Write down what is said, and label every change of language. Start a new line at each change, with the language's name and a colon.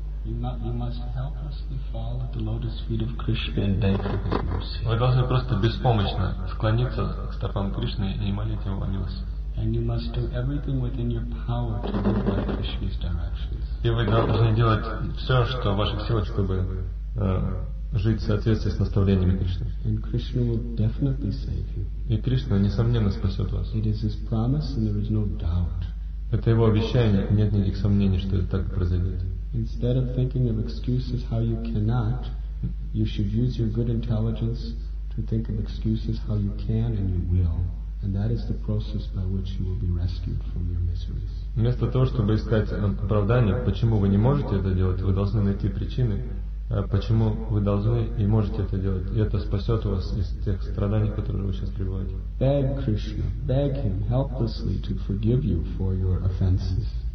English: You must help us to fall at the lotus feet of Krishna and beg for His mercy.
Russian: Вы должны просто беспомощно склониться к стопам Кришны и молить Его о милости.
English: And you must do everything within your power to follow Krishna's directions.
Russian: И вы должны делать все, что в ваших силах, чтобы жить в соответствии с наставлениями Кришны.
English: And Krishna will definitely save you.
Russian: И Кришна, несомненно, спасет вас.
English: It is His promise, and there is no doubt.
Russian: Это Его обещание, и нет никаких сомнений, что это так и произойдет.
English: Instead of thinking of excuses how you cannot, you should use your good intelligence to think of excuses how you can and you will. And that is the process by which you will be rescued from your miseries.
Russian: Вместо того, чтобы искать оправдание, почему вы не можете это делать, вы должны найти причины, почему вы должны и можете это делать. И это спасет вас из тех страданий, которые вы сейчас пребываете.
English: Beg Krishna, beg Him helplessly to forgive you for your offenses.